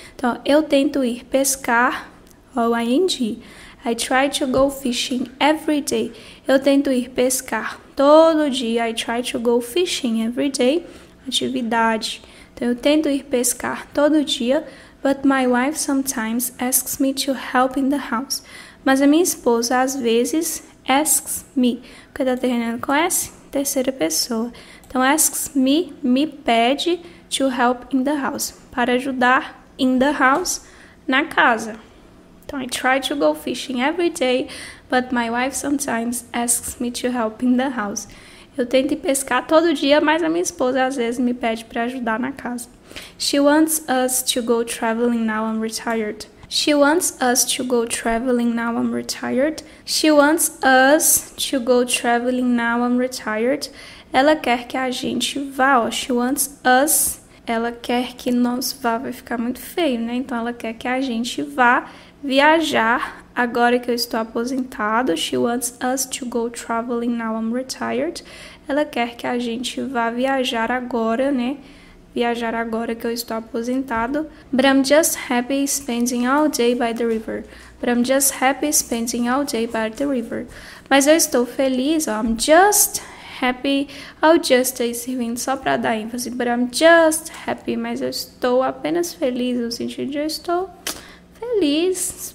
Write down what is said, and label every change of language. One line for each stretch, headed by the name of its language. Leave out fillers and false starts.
Portuguese: Então, eu tento ir pescar, ou ing.
English: I try to go fishing every day.
Portuguese: Eu tento ir pescar todo dia.
English: I try to go fishing every day. Atividade.
Portuguese: Então, eu tento ir pescar todo dia,
English: but my wife sometimes asks me to help in the house.
Portuguese: Mas a minha esposa, às vezes,
English: asks me.
Portuguese: Porque tá terminando com S? Terceira pessoa. Então, asks me, me pede
English: to help in the house.
Portuguese: Para ajudar
English: in the house,
Portuguese: na casa.
English: Então, I try to go fishing every day, but my wife sometimes asks me to help in the house.
Portuguese: Eu tento ir pescar todo dia, mas a minha esposa, às vezes, me pede para ajudar na casa.
English: She wants us to go traveling now I'm retired. She wants us to go traveling now I'm retired. She wants us to go traveling now I'm retired.
Portuguese: Ela quer que a gente vá, ó.
English: She wants us.
Portuguese: Ela quer que nós vá, vai ficar muito feio, né? Então, ela quer que a gente vá viajar agora que eu estou aposentado.
English: She wants us to go traveling now I'm retired.
Portuguese: Ela quer que a gente vá viajar agora, né? Viajar agora que eu estou aposentado.
English: But I'm just happy spending all day by the river. But I'm just happy spending all day by the river.
Portuguese: Mas eu estou feliz, ó.
English: I'm just happy.
Portuguese: Oh, just aí servindo só para dar ênfase.
English: But I'm just happy.
Portuguese: Mas eu estou apenas feliz, no sentido de eu estou feliz.